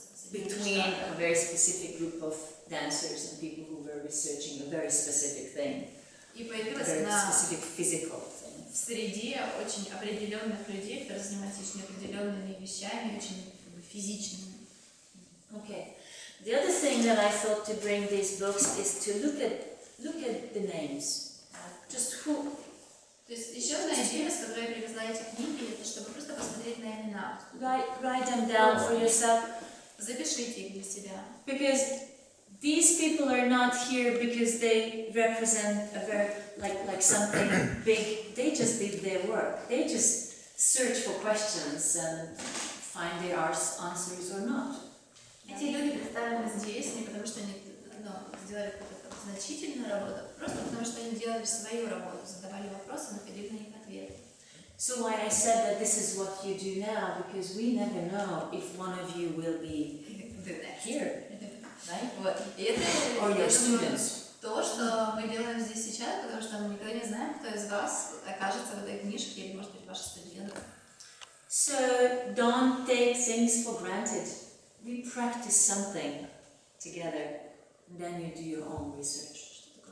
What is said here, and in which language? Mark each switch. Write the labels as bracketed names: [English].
[English] between a very specific group of dancers and people who were researching a very specific thing. [Russian] И появилась она в среде очень определенных людей, которые занимаются очень определенными вещами, очень как бы, физичными. [English] Okay. The other thing that I thought to bring these books is to look at the names. Just who? [Russian] То есть еще одна идея, с которой я привезла эти книги, это чтобы просто посмотреть на имена. [English] Write them down for yourself. [Russian] Запишите их для себя. [English] Because these people are not here because they represent a very like something big. They just did their work. They just search for questions and find their answers or not. [Russian] Эти люди представлены здесь не потому, что они сделали какую-то значительную работу, просто потому, что они делали свою работу, задавали вопросы, находили на них ответы. [English] So why I said that this is what you do now, because we never know if one of you will be here. Right? [Russian] Вот. И это, я думаю, то, что мы делаем здесь сейчас, потому что мы никогда не знаем, кто из вас окажется в этой книжке или, может быть, ваши студенты. [English] So don't take things for granted. We practice something together, and then you do your own research.